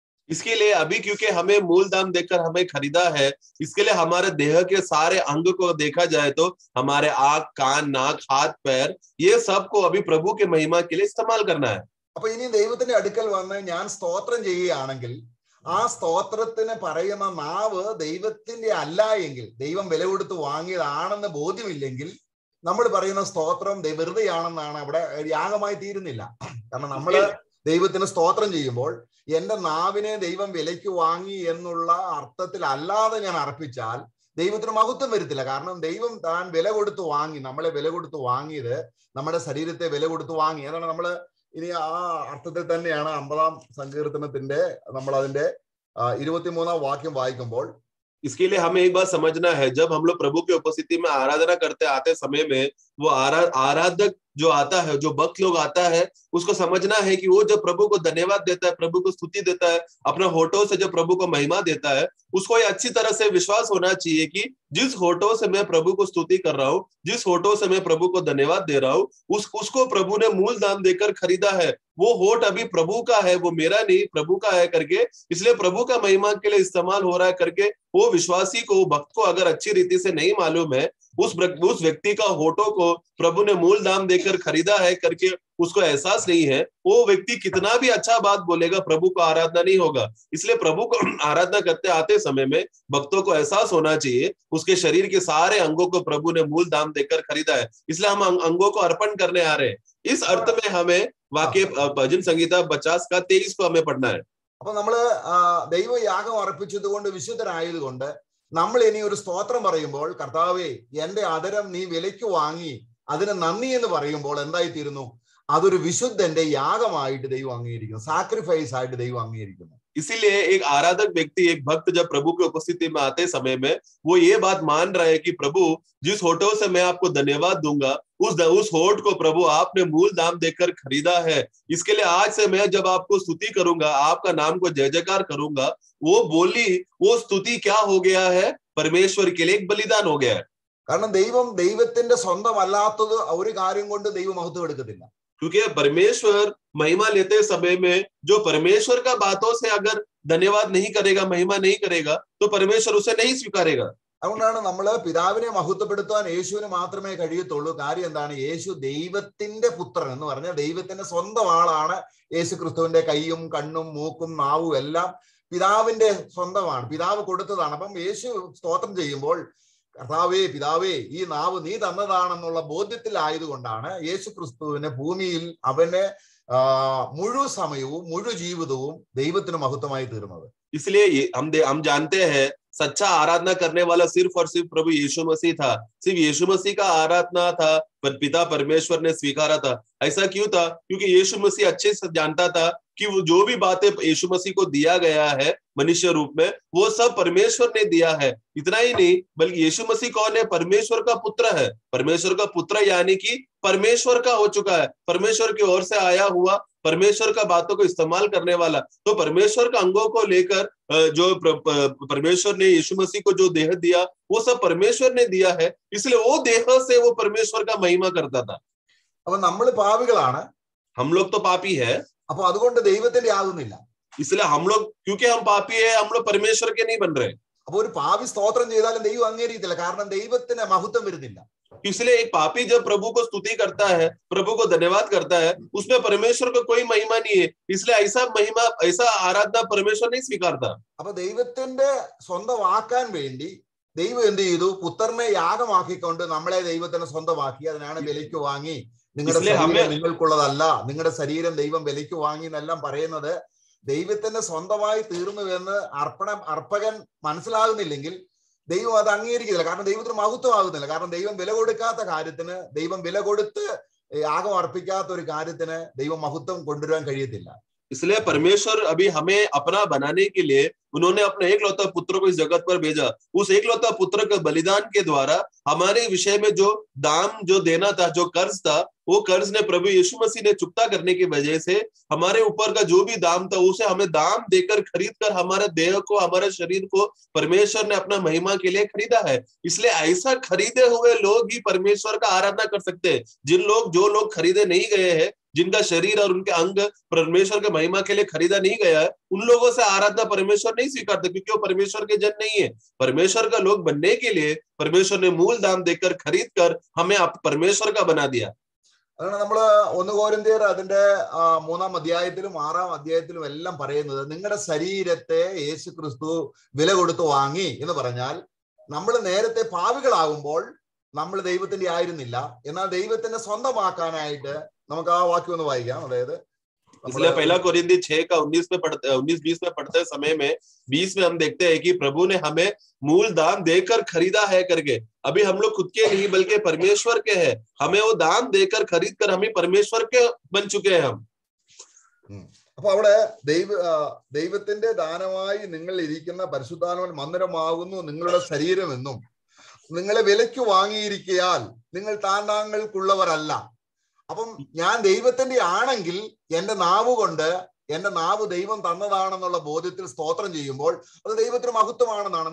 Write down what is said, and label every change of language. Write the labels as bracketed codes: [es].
[hi] इसके लिए अभी क्योंकि हमें मूल दाम देकर हमें खरीदा है इसके लिए हमारे देह के सारे अंग को देखा जाए तो हमारे आँख कान नाक हाथ पैर ये सब को अभी प्रभु के महिमा के लिए इस्तेमाल करना है [ml] അപ്പൊ ഇനി ദൈവത്തിന്റെ അടുക്കൽ വന്ന് ഞാൻ സ്തോത്രം ചെയ്യുകയാണെങ്കിൽ ആ സ്തോത്രത്തിന് പറയുന്ന നാവ് ദൈവത്തിന്റെ അല്ല എങ്കിൽ ദൈവം വില കൊടുത്ത് വാങ്ങിയതാണെന്ന് ബോധ്യമില്ലെങ്കിൽ നമ്മൾ പറയുന്ന സ്തോത്രം വെറുതെയാണെന്നാണ് അവിടെ യാഗമായി തീരുന്നില്ല കാരണം നമ്മൾ ദൈവത്തിന് സ്തോത്രം ചെയ്യുമ്പോൾ എന്റെ നാവിനെ ദൈവം വിലയ്ക്ക് വാങ്ങി എന്നുള്ള അർത്ഥത്തിൽ അല്ലാതെ ഞാൻ അർപ്പിച്ചാൽ ദൈവത്തിന് മഹത്വം വരുത്തില്ല കാരണം ദൈവം താൻ വില കൊടുത്ത് വാങ്ങി നമ്മളെ വില കൊടുത്ത് വാങ്ങിയത് നമ്മുടെ ശരീരത്തെ വില കൊടുത്ത് വാങ്ങി അതാണ് നമ്മള് ഇനി ആ അർത്ഥത്തിൽ തന്നെയാണ് അമ്പതാം സങ്കീർത്തനത്തിന്റെ നമ്മൾ അതിന്റെ 23-ാം വാക്യം വായിക്കുമ്പോൾ [hi] इसके लिए हमें एक बात समझना है जब हम लोग प्रभु की उपस्थिति में आराधना करते आते समय में वो आराधक जो आता है जो भक्त लोग आता है उसको समझना है कि वो जब प्रभु को धन्यवाद देता है प्रभु को स्तुति देता है अपने होठों से जब प्रभु को महिमा देता है उसको ये अच्छी तरह से विश्वास होना चाहिए कि जिस होठों से मैं प्रभु को स्तुति कर रहा हूँ जिस होठों से मैं प्रभु को धन्यवाद दे रहा हूँ उसको प्रभु ने मूल दाम देकर खरीदा है वो होठ अभी प्रभु का है वो मेरा नहीं प्रभु का है करके इसलिए प्रभु का महिमा के लिए इस्तेमाल हो रहा है करके वो विश्वासी को भक्त को अगर अच्छी रीति से नहीं मालूम है उस व्यक्ति का होठों को प्रभु ने मूल दाम देकर खरीदा है करके उसको एहसास नहीं है वो व्यक्ति कितना भी अच्छा बात बोलेगा प्रभु को आराधना नहीं होगा इसलिए प्रभु को आराधना करते आते समय में भक्तों को एहसास होना चाहिए उसके शरीर के सारे अंगों को प्रभु ने मूल दाम देकर खरीदा है इसलिए हम अंगों को अर्पण करने आ रहे हैं इस अर्थ में हमें वाक्य भजन संहिता 50:23 को हमें पढ़ना है [ml] അപ്പൊ നമ്മള് ദൈവ യാഗം അർപ്പിച്ചത് കൊണ്ട് വിശുദ്ധരായത് കൊണ്ട് നമ്മൾ ഇനി ഒരു സ്തോത്രം പറയുമ്പോൾ കർത്താവേ എന്റെ അധരം നീ വിലയ്ക്ക് വാങ്ങി അതിന് നന്ദി എന്ന് പറയുമ്പോൾ എന്തായിത്തീരുന്നു അതൊരു വിശുദ്ധന്റെ യാഗമായിട്ട് ദൈവം അംഗീകരിക്കുന്നു സാക്രിഫൈസ് ആയിട്ട് ദൈവം അംഗീകരിക്കുന്നു [hi] इसीलिए एक आराधक व्यक्ति एक भक्त जब प्रभु की उपस्थिति में आते समय में वो ये बात मान रहा है कि प्रभु जिस होठों से मैं आपको धन्यवाद दूंगा उस होठ को प्रभु आपने मूल दाम देकर खरीदा है इसके लिए आज से मैं जब आपको स्तुति करूंगा आपका नाम को जय जयकार करूंगा वो बोली वो स्तुति क्या हो गया है परमेश्वर के लिए एक बलिदान हो गया है [ml] कारण दैवम दैवत्തിന്റെ സ്വന്തമല്ലാത്തത് ഒരു കാര്യം കൊണ്ട് ദൈവം മഹത്വം എടുക്കുന്നില്ല [hi] क्योंकि परमेश्वर महिमा लेते समय में जो परमेश्वर का बातों से अगर धन्यवाद नहीं करेगा महिमा नहीं करेगा तो परमेश्वर उसे नहीं स्वीकारेगा [ml] അതുകൊണ്ടാണ് നമ്മൾ പിതാവിനെ മഹത്വപ്പെടുത്താൻ യേശുവിന് മാത്രമേ കഴിയത്തുള്ളൂ കാര്യം എന്താണ് യേശു ദൈവത്തിന്റെ പുത്രൻ എന്ന് പറഞ്ഞാൽ ദൈവത്തിന്റെ സ്വന്തം ആളാണ് യേശു ക്രിസ്തുവിന്റെ കൈയും കണ്ണും മൂക്കും നാവും എല്ലാം പിതാവിന്റെ സ്വന്തമാണ് പിതാവ് കൊടുത്തതാണ് അപ്പം യേശു സ്തോത്രം ചെയ്യുമ്പോൾ കർത്താവേ പിതാവേ ഈ നാവ് നീ തന്നതാണെന്നുള്ള ബോധ്യത്തിലായതുകൊണ്ടാണ് യേശു ക്രിസ്തുവിനെ ഭൂമിയിൽ അവന് മുഴുവൻ സമയവും മുഴുവൻ ജീവിതവും ദൈവത്തിന് മഹത്വമായി തീർന്നത് [hi] इसलिए हम जानते हैं सच्चा आराधना करने वाला सिर्फ और सिर्फ प्रभु यीशु मसीह था सिर्फ यीशु मसीह का आराधना था पर पिता परमेश्वर ने स्वीकारा था ऐसा क्यों था क्योंकि यीशु मसीह अच्छे से जानता था कि वो जो भी बातें यीशु मसीह को दिया गया है मनुष्य रूप में वो सब परमेश्वर ने दिया है इतना ही नहीं बल्कि यीशु मसीह कौन है परमेश्वर का पुत्र है परमेश्वर का पुत्र यानी कि परमेश्वर का हो चुका है परमेश्वर की ओर से आया हुआ परमेश्वर का बातों को इस्तेमाल करने वाला तो परमेश्वर का अंगों को लेकर जो परमेश्वर ने यीशु मसीह को जो देह दिया वो सब परमेश्वर ने दिया है इसलिए वो देह से वो परमेश्वर का महिमा करता था अब [ml] നമ്മൾ പാപികളാണ് [hi] हम लोग तो पापी है [ml] അപ്പ അതുകൊണ്ട് ദൈവത്തിന്റെ ആകുന്നില്ല [hi] इसलिए हम लोग क्योंकि हम पापी है हम लोग परमेश्वर के नहीं बन रहे [ml] അപ്പ ഒരു പാപി സ്തോത്രം ചെയ്താലും ദൈവം അംഗീകരിക്കില്ല കാരണം ദൈവത്തിന്റെ മഹത്വം വരുന്നില്ല [hi] इसलिए एक पापी जब प्रभु को स्तुति करता है प्रभु को धन्यवाद करता है उसमें परमेश्वर को कोई महिमा नहीं है इसलिए ऐसा महिमा ऐसा आराधना परमेश्वर नहीं स्वीकारता अब [ml] ദൈവത്തിന്റെ സ്വന്തമാക്കാൻ വേണ്ടി ദൈവം എന്ത് ചെയ്തു പുത്രനെ യാഗമാക്കിക്കൊണ്ട് നമ്മളെ ദൈവത്തിന്റെ സ്വന്തമാക്കി അതിനാണ് വിലയ്ക്ക് വാങ്ങി നിങ്ങളുടെ ശരീരം നിങ്ങൾക്കുള്ളതല്ല നിങ്ങളുടെ ശരീരം ദൈവം വിലയ്ക്ക് വാങ്ങി എന്നെല്ലാം പറയുന്നത് ദൈവത്തിന്റെ സ്വന്തമായി തീർന്നുവെന്ന് അർപ്പകൻ മനസ്സിലാകുന്നില്ലെങ്കിൽ ദൈവം അത് അംഗീകരിക്കുന്നില്ല കാരണം ദൈവത്തിന് മഹത്വമാകുന്നില്ല കാരണം ദൈവം വില കൊടുക്കാത്ത കാര്യത്തിന് ദൈവം വില കൊടുത്ത് യാഗം അർപ്പിക്കാത്ത ഒരു കാര്യത്തിന് ദൈവം മഹത്വം കൊണ്ടുവരാൻ കഴിയത്തില്ല [hi] इसलिए परमेश्वर अभी हमें अपना बनाने के लिए उन्होंने अपने एकलौता पुत्र को इस जगत पर भेजा। उस एकलौता पुत्र के बलिदान के द्वारा हमारे विषय में जो दाम जो देना था, जो कर्ज था, वो कर्ज ने प्रभु यीशु मसीह ने चुकता करने की वजह से हमारे ऊपर का जो भी दाम था उसे हमें दाम देकर खरीद कर हमारे देह को, हमारे शरीर को परमेश्वर ने अपना महिमा के लिए खरीदा है। इसलिए ऐसा खरीदे हुए लोग ही परमेश्वर का आराधना कर सकते हैं। जो लोग खरीदे नहीं गए हैं, जिनका शरीर और उनके अंग परमेश्वर के महिमा के लिए खरीदा नहीं गया है, उन लोगों से आराधना परमेश्वर नहीं स्वीकारता, क्योंकि वो परमेश्वर के जन नहीं है। परमेश्वर का लोग बनने के लिए परमेश्वर ने मूल दाम देकर खरीद कर हमें आप परमेश्वर का बना दिया। [ml] നമ്മള് അതിന്റെ മൂന്നാം അധ്യായത്തിലും ആറാം അധ്യായത്തിലും എല്ലാം പറയുന്നത് നിങ്ങളുടെ ശരീരത്തെ യേശു ക്രിസ്തു വില കൊടുത്ത് വാങ്ങി എന്ന് പറഞ്ഞാൽ, നമ്മൾ നേരത്തെ പാപികളാകുമ്പോൾ നമ്മൾ ദൈവത്തിന്റെ ആയിരുന്നില്ല, എന്നാൽ ദൈവത്തിന്റെ സ്വന്തമാക്കാനായിട്ട് നമുക്ക് ആ വാക്യം ഒന്ന് വായിക്കാം. അതായത് [hi] इसलिए पहला कोरिन्थी 6:19-20 में पढ़ते समय में 20 में हम देखते हैं कि प्रभु ने हमें मूल दाम देकर खरीदा है करके। अभी हम लोग खुद के नहीं बल्कि परमेश्वर के हैं, हमें वो दाम देकर खरीद कर हम ही परमेश्वर के बन चुके हैं हम। [ml] അപ്പൊ അവിടെ ദൈവത്തിന്റെ ദാനമായി നിങ്ങൾ ഇരിക്കുന്ന പരിശുദ്ധാത്മാവ് മന്ദിരമാകുന്നു നിങ്ങളുടെ ശരീരം എന്നും, നിങ്ങളെ വിലയ്ക്ക് വാങ്ങിയിരിക്കയാൽ നിങ്ങൾ താണ്ടാങ്ങൾക്കുള്ളവരല്ല. അപ്പം ഞാൻ ദൈവത്തിന്റെ ആണെങ്കിൽ എന്റെ നാവ് കൊണ്ട് എന്റെ നാവ് ദൈവം തന്നതാണെന്നുള്ള ബോധ്യത്തിൽ സ്തോത്രം ചെയ്യുമ്പോൾ അത് ദൈവത്തിന് മഹത്വമാണെന്നാണ്.